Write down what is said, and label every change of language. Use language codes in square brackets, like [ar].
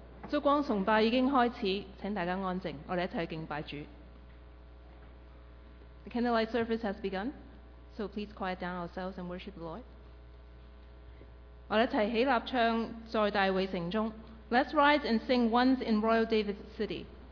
[zh] 燭光崇拜已經開始，請大家安靜，我們一起去敬拜主。 [en] The candlelight service has begun, so please quiet down ourselves and worship the Lord. [zh] 我們一起起立唱在大衛城中。 [en] Let's rise and sing Once in Royal David's City.